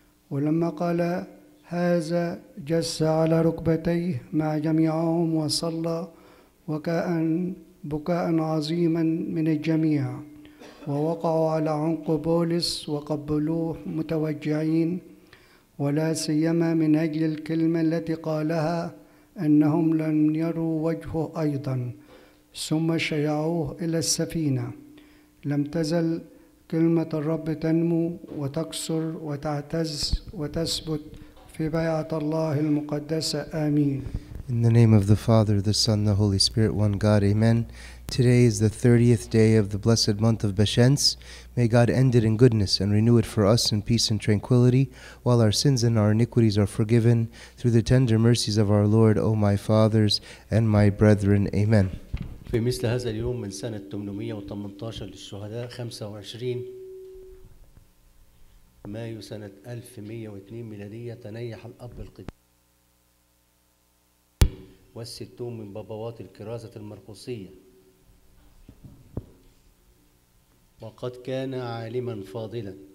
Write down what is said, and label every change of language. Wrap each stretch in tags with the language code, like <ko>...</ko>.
<ar>ولما قال هذا جس على ركبتيه مع جميعهم وصلى وكان بكاء عظيما من الجميع، ووقعوا على عنق بولس وقبلوه متوجعين، ولا سيما من أجل الكلمة التي قالها أنهم لن يروا وجهه أيضا. ثم شيعوه إلى السفينة. لم تزل كلمة الرب تنمو وتكسر وتعتز وتثبت في بيعة الله المقدسة. آمين.</ar> <en>In the name of the Father, the Son, the Holy Spirit, one God. Amen. Today is the 30th day of the blessed month of Beshens. May God end it in goodness and renew it for us in peace and tranquility, while our sins and our iniquities are forgiven through the tender mercies of our Lord, O my fathers and my brethren. Amen.</en> <ar>في مثل هذا اليوم من سنة 818 للشهداء 25 مايو سنة 1102 ميلادية تنيح الأب القديس والستون من بابوات الكرازة المرقوصية، وقد كان عالما فاضلا</ar>